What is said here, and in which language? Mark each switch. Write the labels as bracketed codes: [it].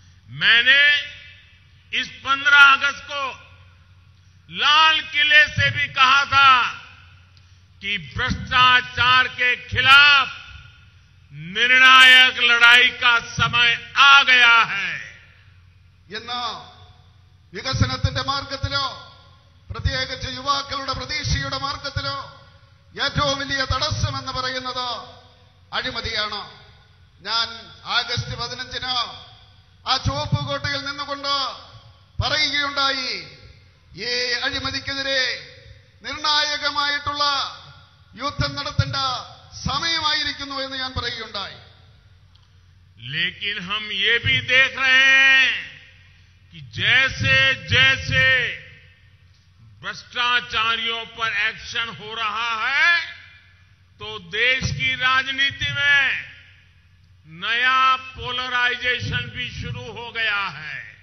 [hi] मैंने इस 15 अगस्त को लाल किले से भी कहा था कि भ्रष्टाचार के खिलाफ निर्णायक लड़ाई का समय आ गया है। [ml] വികസനത്തിന് മാർഗത്തിലോ പ്രത്യേകിച്ച് യുവാക്കളുടെ പ്രതീക്ഷയുടെ മാർഗത്തിലോ ഏറ്റവും വലിയ തടസ്സം എന്ന് പറയുന്നത് അഴിമതിയാണ്। ഞാൻ ആഗസ്റ്റ് 15-ന് ആ ചുവപ്പ് കോട്ടയിൽ നിന്നുകൊണ്ട് പറയുകയുണ്ടായി, ഈ അഴിമതിക്കെതിരെ നിർണായകമായിട്ടുള്ള യുദ്ധം നടത്തേണ്ട സമയമായിരിക്കുന്നു എന്ന് ഞാൻ പറയുകയുണ്ടായി। [hi] ലേക്കിൻ ഹം യേ ബി ദേഖ് രഹേ कि जैसे जैसे भ्रष्टाचारियों पर एक्शन हो रहा है तो देश की राजनीति में नया पोलराइजेशन भी शुरू हो गया है।